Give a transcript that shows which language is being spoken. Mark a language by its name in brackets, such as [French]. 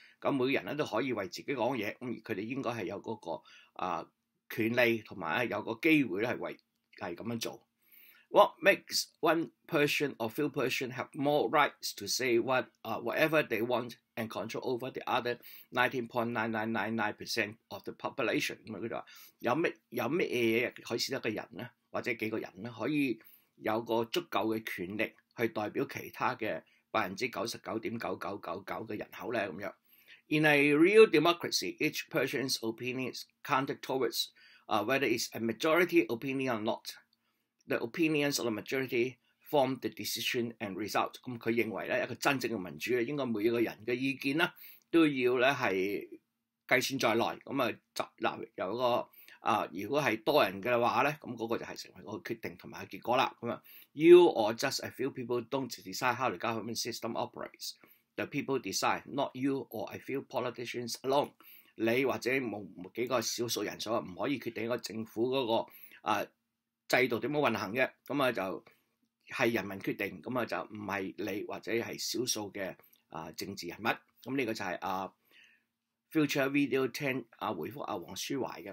[Cantonese] 咁每個人都可以為自己講嘢，咁而佢哋應該係有嗰個權利同埋有個機會咧，係咁樣做。 [English] What makes one person or few person have more rights to say whatever they want and control over the other 19.9999% of the population? [Cantonese] 咁佢就話有咩嘢可以使得個人咧，或者幾個人咧，可以有個足夠嘅權力去代表其他嘅99.9999%嘅人口咧？ [English] 咁樣 ，In a real democracy, each person's opinion is counted towards whether it's a majority opinion or not. The opinions of the majority form the decision and result. [Cantonese] 咁佢認為咧，一個真正嘅民主咧，應該每一個人嘅意見咧，都要咧係計算在內。咁啊，集納有個如果係多人嘅話咧，咁嗰個就係成為個決定同埋結果啦。 [English] 咁啊 ，You or just a few people don't decide how the government system operates. The people decide, not you or a few politicians alone. [Cantonese] 你或者某幾個少數人所唔可以決定一個政府嗰、那個啊制度點樣運行嘅，咁啊就係人民決定，咁啊就唔係你或者係少數嘅啊政治人物。咁呢個就係啊 Future Video 聽啊回覆啊黃舒懷嘅。